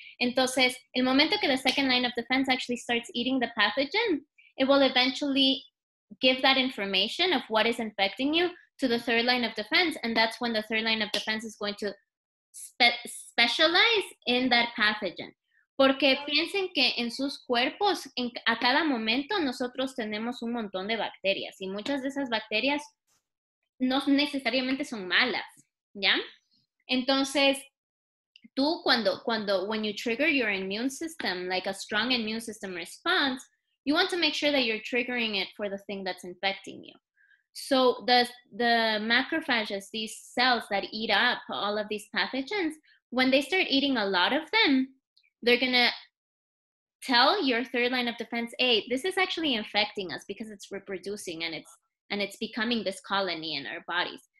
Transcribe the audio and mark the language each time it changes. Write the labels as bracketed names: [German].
[Spanish] Entonces, el momento que [English] the second line of defense actually starts eating the pathogen, it will eventually give that information of what is infecting you to the third line of defense, and that's when the third line of defense is going to specialize in that pathogen. [Spanish] Porque piensen que en sus cuerpos, a cada momento, nosotros tenemos un montón de bacterias. Y muchas de esas bacterias no necesariamente son malas, ¿ya? Entonces, tú cuando [English] when you trigger your immune system, like a strong immune system response, you want to make sure that you're triggering it for the thing that's infecting you. So the macrophages, these cells that eat up all of these pathogens, when they start eating a lot of them, they're gonna tell your third line of defense, hey, this is actually infecting us because it's reproducing and it's becoming this colony in our bodies.